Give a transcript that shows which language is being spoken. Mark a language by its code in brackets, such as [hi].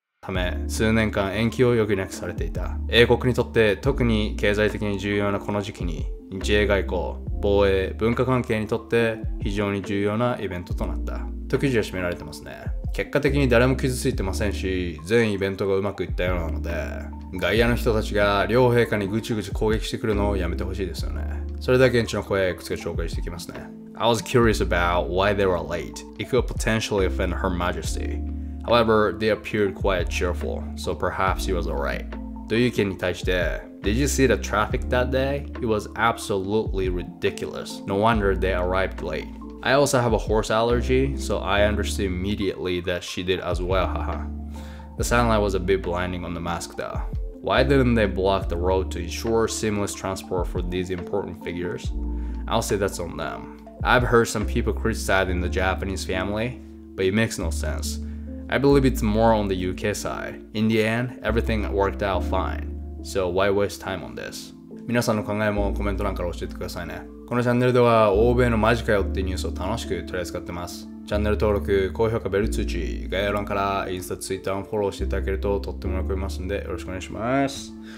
[ja] ため数年間延期を余儀なくされていた。英国にとって特に経済的に重要なこの時期に、日英外交、防衛、文化関係にとって非常に重要なイベントとなった。と記事は締められてますね。結果的に誰も傷ついてませんし、全イベントがうまくいったようなので、外野の人たちが両陛下にぐちぐち攻撃してくるのをやめてほしいですよね。それでは現地の声をいくつか紹介していきますね。 [en] I was curious about why they were late. It could potentially offend Her Majesty. However, they appeared quite cheerful, so perhaps he was alright. という意見に対して、 Did you see the traffic that day? It was absolutely ridiculous. No wonder they arrived late. I also have a horse allergy, so I understood immediately that she did as well, haha. The sunlight was a bit blinding on the mask though. Why didn't they block the road to ensure seamless transport for these important figures? I'll say that's on them. I've heard some people criticizing the Japanese family, but it makes no sense. I believe it's more on the UK side. In the end, everything worked out fine. So why waste time on this? [ja] 皆さんの考えもコメント欄から教えてくださいね。このチャンネルでは欧米のマジかよっていうニュースを楽しく取り扱ってます。チャンネル登録、高評価、ベル通知、概要欄からインスタ、ツイッターもフォローしていただけるととっても喜びますんで、よろしくお願いします。